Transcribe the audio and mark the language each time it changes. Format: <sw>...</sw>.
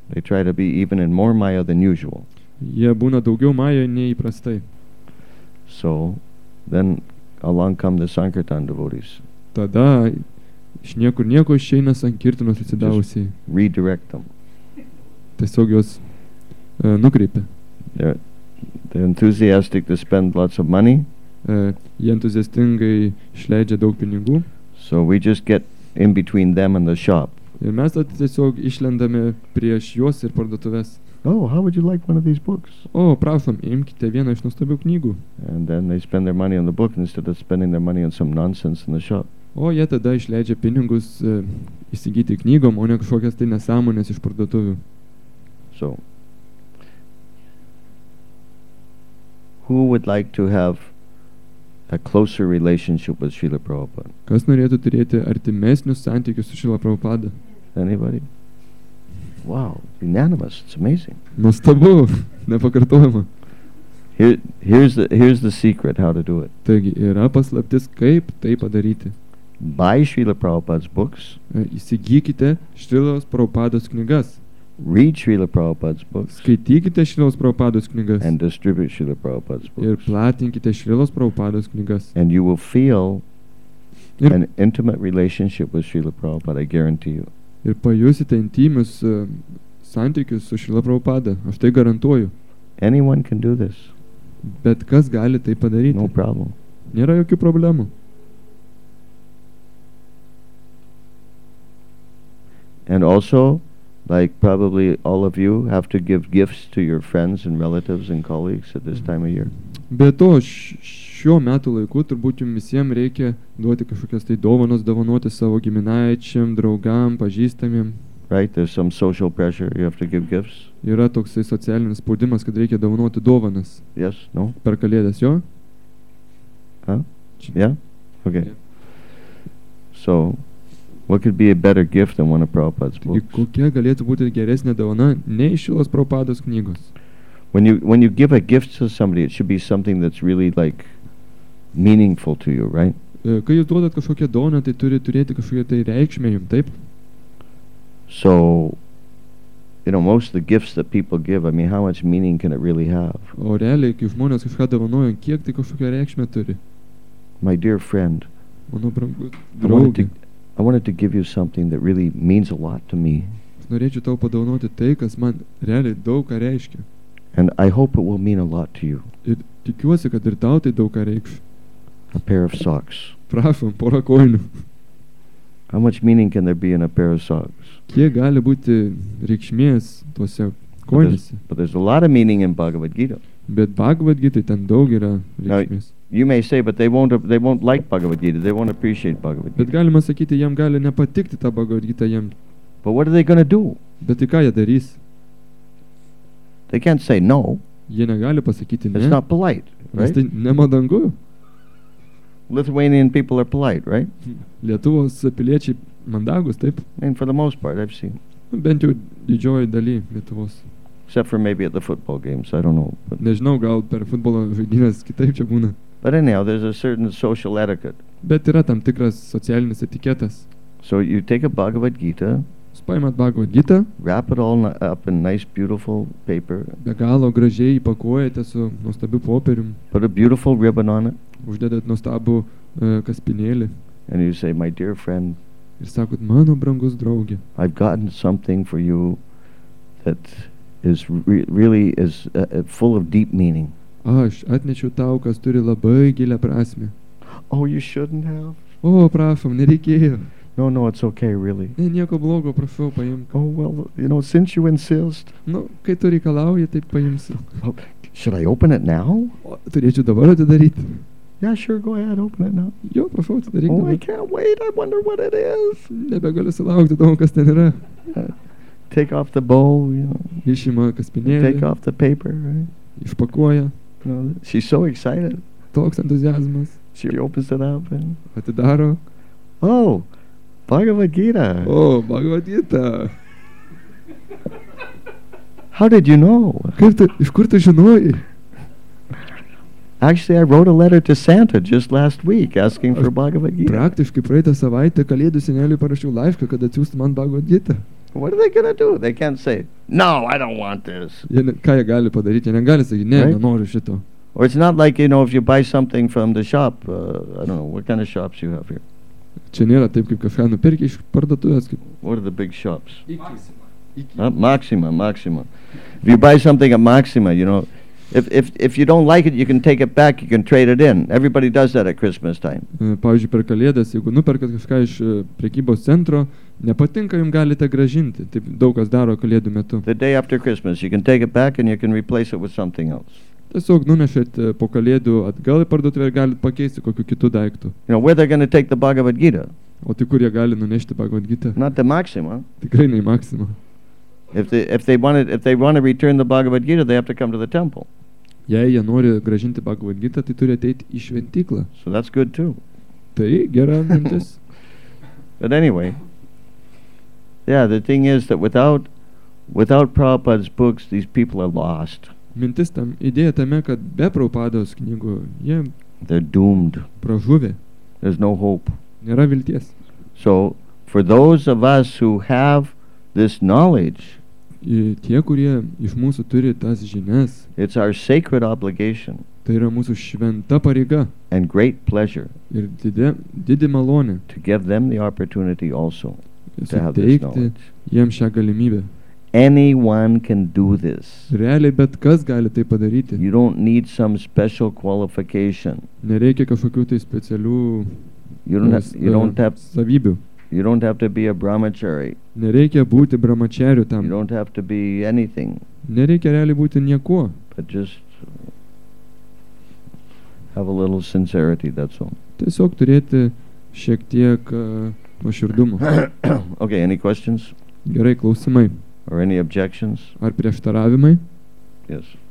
<en>They try to be even in more Maya than usual.</en> <lt>Jie būna daugiau Majoje nei įprastai.</lt> <en>So, then along come the Sankirtan devotees.</en> <lt>Tada iš niekur nieko išeina Sankirtanos atsidavusiai.</lt> <en>Redirect them.</en> <lt>Tiesiog juos nukreipia.</lt> <en>They're enthusiastic to spend lots of money.</en> <lt>Jie entuziastingai išleidžia daug pinigų.</lt> <en>So we just get in between them and the shop.</en> <lt>Ir mes tiesiog išlendame prieš juos ir parduotuves.</lt> <en>Oh, how would you like one of these books?</en> <lt>Oh, prašom, imkite vieną iš nuostabių knygų.</lt> <en>And then they spend their money on the book instead of spending their money on some nonsense in the shop.</en> <lt>O jie tada išleidžia pinigus įsigyti knygom, o ne kažkokias tai nesąmonės iš parduotuvių.</lt> <en>So, who would like to have a closer relationship with Srila Prabhupada?</en> <lt>Kas norėtų turėti artimesnius santykius su Srila Prabhupada?</lt> <en>Anybody? Wow, unanimous, it's amazing.</en> <lt>Nuostabu, nepakartojama.</lt> <en>Here's the secret how to do it.</en> <lt>Taigi, yra paslaptis, kaip tai padaryti.</lt> <en>Buy Srila Prabhupada's books.</en> <lt>Įsigykite Srila Prabhupada's knygas.</lt> <en>Read Srila Prabhupada's books.</en> <lt>Skaitykite Srila Prabhupada's knygas.</lt> <en>And distribute Srila Prabhupada's books.</en> <lt>Ir platinkite Srila Prabhupada's knygas.</lt> <en>And you will feel an intimate relationship with Srila Prabhupada, I guarantee you.</en> <lt>Ir pajusite intymius santykius su Srila Prabhupada, aš tai garantuoju.</lt> <en>Anyone can do this.</en> <lt>Bet kas gali tai padaryti?</lt> <en>No problem.</en> <lt>Nėra jokių problemų.</lt> <en>And also, like probably all of you have to give gifts to your friends and relatives and colleagues at this time of year.</en> <lt>Be to, šiuo metų laiku turbūt jums visiems reikia duoti kažkokias tai dovanos, dovanoti savo giminaičiam, draugam, pažįstamiem.</lt> <en>Right, there's some social pressure, you have to give gifts.</en> <lt>Yra toksai socialinis spaudimas, kad reikia dovanoti dovanas.</lt> <en>Yes, no.</en> <lt>Per Kalėdas, jo?</lt> <en>Huh? Yeah? Okay. So, what could be a better gift than one of Prabhupada's books?</en> <lt>Kokia galėtų būti geresnė dovana nei Šilos Prabhupados knygos?</lt> <en>When you give a gift to somebody, it should be something that's really like meaningful to you, right?</en> <lt>Kai jūs duodat kažkokią dovaną, tai turi turėti kažkokią tai reikšmę jums, taip?</lt> <en>So, you know, most of the gifts that people give, I mean, how much meaning can it really have?</en> <lt>O realiai, kai žmonės kažką dovanoja, kiek tai kažkokią reikšmę turi?</lt> <en>My dear friend,</en> <lt>mano brangus draugė,</lt> <en>I wanted to give you something that really means a lot to me.</en> <lt>Norėčiau tau padovanoti tai, kas man realiai daug ką reiškia.</lt> <en>And I hope it will mean a lot to you.</en> <lt>Ir tikiuosi, kad ir tau tai daug ką reikš.</lt> <en>A pair of socks.</en> <lt>Prašom, pora kojinių.</lt> <en>How much meaning can there be in a pair of socks?</en> <lt>Kiek gali būti reikšmės tose kojinėse?</lt> <en>But there's a lot of meaning in Bhagavad Gita.</en> <lt>Bet Bhagavad Gita ten daug yra reikšmės.</lt> <en>You may say, but they won't like Bhagavad Gita. They won't appreciate Bhagavad Gita.</en> <lt>Bet galima sakyti, jam gali nepatikti tą Bhagavad Gita jam.</lt> <en>But what are they going to do?</en> <lt>Bet ką jie darys?</lt> <en>They can't say no.</en> <lt>Jie negali pasakyti ne.</lt> <en>It's not polite, right?</en> <lt>Tai nemadangu.</lt> <en>Lithuanian people are polite, right?</en> <lt>Lietuvos piliečiai mandagus, taip.</lt> <en>And for the most part, I've seen.</en> <lt>Bent jau didžioji daly Lietuvos.</lt> <en>Except for maybe at the football games, I don't know. But</en> <lt>nežinau, gal per futbolo žaidynes kitaip čia būna.</lt> <en>But anyhow, there's a certain social etiquette.</en> <lt>Bet yra tam tikras socialinis etiketas.</lt> <en>So you take a Bhagavad Gita.</en> <lt>Jūs paimat Bhagavad Gita.</lt> <en>Wrap it all up in nice, beautiful paper.</en> <lt>Be galo gražiai įpakuojate su nuostabiu popierium.</lt> <en>Put a beautiful ribbon on it.</en> <lt>Uždedat nuostabų kaspinėlį.</lt> <en>And you say, my dear friend,</en> <lt>ir sakot, mano brangus draugė,</lt> <en>I've gotten something for you that is really is full of deep meaning.</en> <lt>Aš atnešiu tau, kas turi labai gilią prasmę.</lt> <en>Oh, you shouldn't have.</en> <lt>Oh, prašom, nereikėjo.</lt> <en>No, no, it's okay, really.</en> <lt>Ne, nieko blogo, prašau, paimk.</lt> <en>Oh, well, you know, since you insist.</en> <lt>Nu, kai tu reikalauji, taip paimsiu.</lt> <en>Oh, should I open it now?</en> <lt>Turėčiau dabar atidaryti.</lt> <en>Yeah, sure, go ahead, open it now.</en> <lt>Jo, prašau, atidaryk.</lt> <en>Oh, I can't wait, I wonder what it is.</en> <lt>Nebegaliu sulaukti, domo, kas ten yra.</lt> <en>Take off the bowl, you know.</en> <lt>Išima kaspinėlį.</lt> <en>Take off the paper, right?</en> <lt>Išpakuoja.</lt> <en>No, she's so excited.</en> <lt>Toks entuziasmas.</lt> <en>She opens it up and...</en> <lt>Atidaro.</lt> <en>Oh, Bhagavad Gita. Oh, Bhagavad Gita. How did you know?</en> <lt>Kaip tu, iš kur tu žinoji?</lt> <en>Actually, I wrote a letter to Santa just last week asking for Bhagavad Gita.</en> <lt>Praktiškai praeitą savaitę kalėdų seneliui parašiau laišką, kad atsiųstų man Bhagavad Gita.</lt> <en>What are they going to do? They can't say, no, I don't want this.</en> <lt>Ką jie gali padaryti? Jie negali sakyti, ne, nenoriu šito.</lt> <en>Or it's not like, you know, if you buy something from the shop, I don't know, what kind of shops you have here?</en> <lt>Čia nėra taip, kaip kažką nupirki iš parduotuvės.</lt> <en>What are the big shops? Maxima. Maxima, Maxima. If you buy something at Maxima, you know, if you don't like it, you can take it back, you can trade it in. Everybody does that at Christmas time.</en> <lt>Pavyzdžiui, per kalėdas, jeigu nuperkat kažką iš prekybos centro, nepatinka, jums galite gražinti. Taip daug kas daro kalėdų metu.</lt> <en>The day after Christmas, you can take it back and you can replace it with something else.</en> <lt>Tiesiog nunešėt po kalėdų atgal į parduotuvę ir galit pakeisti kokiu kitu daiktu.</lt> <en>You know, where they're going to take the Bhagavad Gita?</en> <lt>O tai kur jie gali nunešti Bhagavad Gita?</lt> <en>Not the Maxima.</en> <lt>Tikrai ne į Maxima.</lt> <en>If they want to return the Bhagavad Gita, they have to come to the temple.</en> <lt>Jei jie nori grąžinti Bhagavad Gita, tai turi ateiti į šventyklą.</lt> <en>So that's good too.</en> <lt>Tai gera mintis.</lt> <en>But anyway, yeah, the thing is that without Prabhupada's books, these people are lost.</en> <lt>Mintis tam, idėja tame, kad be Prabhupados knygų, jie</lt> <en>they're doomed.</en> <lt>Pražuvė.</lt> <en>There's no hope.</en> <lt>Nėra vilties.</lt> <en>So, for those of us who have this knowledge,</en> <lt>tie, kurie iš mūsų turi tas žinias,</lt> <en>it's our sacred obligation.</en> <lt>Tai yra mūsų šventa pareiga.</lt> <en>And great pleasure.</en> <lt>Ir didi malonė.</lt> <en>To give them the opportunity also to have this knowledge.</en> <lt>Jiems šią galimybę.</lt> <en>Anyone can do this.</en> <lt>Realiai bet kas gali tai padaryti.</lt> <en>You don't need some special qualification.</en> <lt>Nereikia kažkokių tai specialių savybių.</lt> <en>You don't have to be a brahmachari.</en> <lt>Nereikia būti brahmachariu tam.</lt> <en>You don't have to be anything.</en> <lt>Nereikia realiai būti niekuo.</lt> <en>But just have a little sincerity, that's all.</en> <lt>Tiesiog turėti šiek tiek nuoširdumo.</lt> <en>Okay, any questions?</en> <lt>Gerai, klausimai.</lt> <en>Or any objections?</en> <lt>Ar prieštaravimai?</lt> <en>Yes.</en>